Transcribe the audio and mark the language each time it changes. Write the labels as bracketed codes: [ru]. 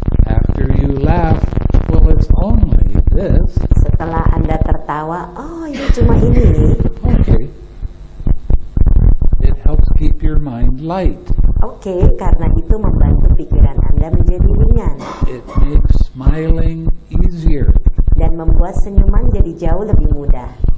[en] After you laugh, well, it's only this. [id] Setelah Anda tertawa, ini cuma ini. [en] Okay. It helps keep your mind light. [id] Okay, karena itu membantu pikiran Anda menjadi ringan. [en] It makes smiling easier. [id] Dan membuat senyuman jadi jauh lebih mudah.